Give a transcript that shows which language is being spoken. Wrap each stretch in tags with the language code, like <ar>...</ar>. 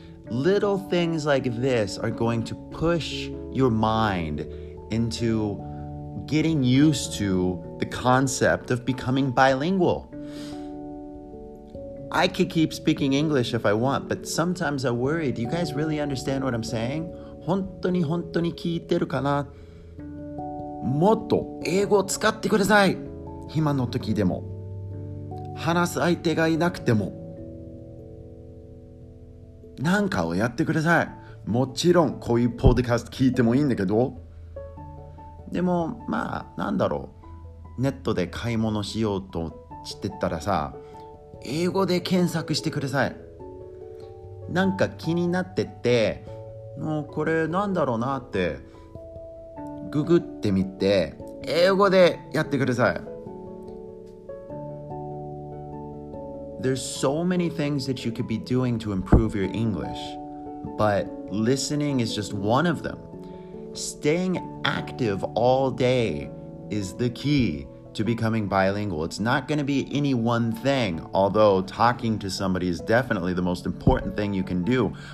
<en>Little things like this are going to push your mind into getting used to the concept of becoming bilingual. I could keep speaking English if I want, but sometimes I worry, do you guys really understand what I'm saying?</en> <ja>本当に本当に聞いてるかな？もっと英語を使ってください。暇の時でも、話す相手がいなくても、なんかをやってください。もちろんこういうポッドキャスト聞いてもいいんだけど、でもまあなんだろう、ネットで買い物しようとしてたらさ、英語で検索してください。なんか気になってて、もうこれなんだろうなってググってみて、英語でやってください。</ja> <en>There's so many things that you could be doing to improve your English, but listening is just one of them. Staying active all day is the key to becoming bilingual. It's not going to be any one thing, although talking to somebody is definitely the most important thing you can do.</en>